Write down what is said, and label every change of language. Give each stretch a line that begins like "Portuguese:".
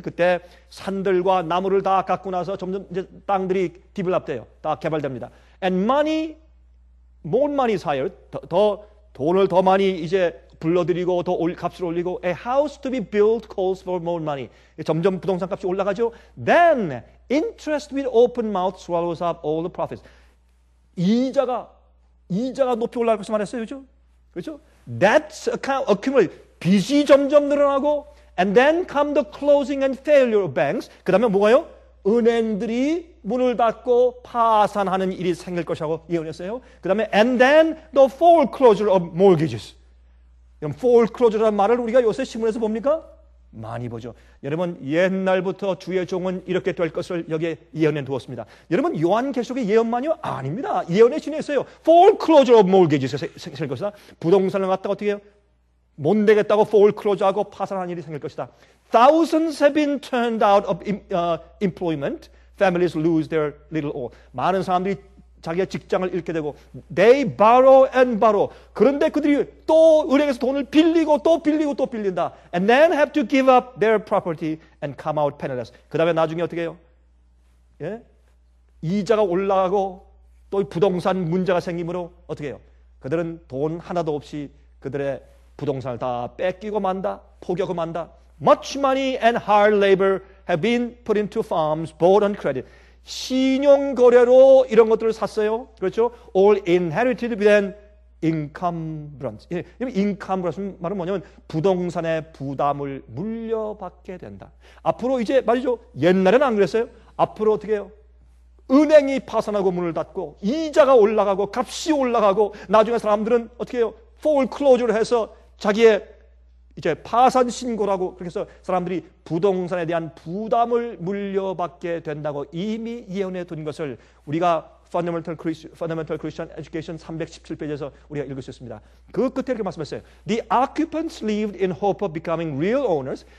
Korean: 그때 산들과 나무를 다 갖고 나서 점점 이제 땅들이 디벨롭돼요. 다 개발됩니다.
English: And money, more money is hired.
Korean: 더 돈을 더 많이 이제 불러들이고 더 값을 올리고
English: A house to be built calls for more money.
Korean: 점점 부동산 값이 올라가죠.
English: Then interest with open mouth swallows up all the profits.
Korean: 이자가 높이 올라갈 것을 말했어요. 그렇죠?
English: Debts accumulate.
Korean: 빚이 점점 늘어나고
English: And then come the closing and failure of banks.
Korean: 그 다음에 뭐가요? 은행들이 문을 닫고 파산하는 일이 생길 것이라고 예언했어요. 그 다음에
English: And then the foreclosure of mortgages.
Korean: 그럼 foreclosure라는 말을 우리가 요새 신문에서 봅니까? 많이 보죠. 여러분 옛날부터 주의 종은 이렇게 될 것을 여기에 예언해 두었습니다. 여러분 요한계시록의 예언만이요? 아닙니다. 예언해 주셨어요.
English: foreclosure of mortgages
Korean: 가 생길 것이다. 부동산을 갖다가 어떻게 해요? 못 내겠다고 foreclosure하고 파산한 일이 생길 것이다.
English: Thousands have been turned out of employment. Families lose their little all.
Korean: 많은 사람들이 자기의 직장을 잃게 되고
English: they borrow and borrow.
Korean: 그런데 그들이 또 은행에서 돈을 빌리고 또 빌리고 또 빌린다.
English: And then have to give up their property and come out penniless.
Korean: 그 다음에 나중에 어떻게 해요? 예? 이자가 올라가고 또 부동산 문제가 생기므로 어떻게 해요? 그들은 돈 하나도 없이 그들의 부동산을 다 뺏기고 만다. 포기하고 만다.
English: Much money and hard labor have been put into farms bought on credit.
Korean: 신용 거래로 이런 것들을 샀어요. 그렇죠?
English: All inherited with an encumbrance.
Korean: 예, encumbrance 말은 뭐냐면 부동산의 부담을 물려받게 된다. 앞으로 이제 말이죠. 옛날에는 안 그랬어요. 앞으로 어떻게 해요? 은행이 파산하고 문을 닫고 이자가 올라가고 값이 올라가고 나중에 사람들은 어떻게 해요? foreclosure를 해서 자기의 이제 파산 신고라고 그렇게 해서 사람들이 부동산에 대한 부담을 물려받게 된다고 이미 예언해 둔 것을 우리가 Fundamental Christian Education 317페이지에서 우리가 읽을 수 있습니다. 그 끝에 이렇게 말씀했어요.
English: The occupants lived in hope of becoming real owners.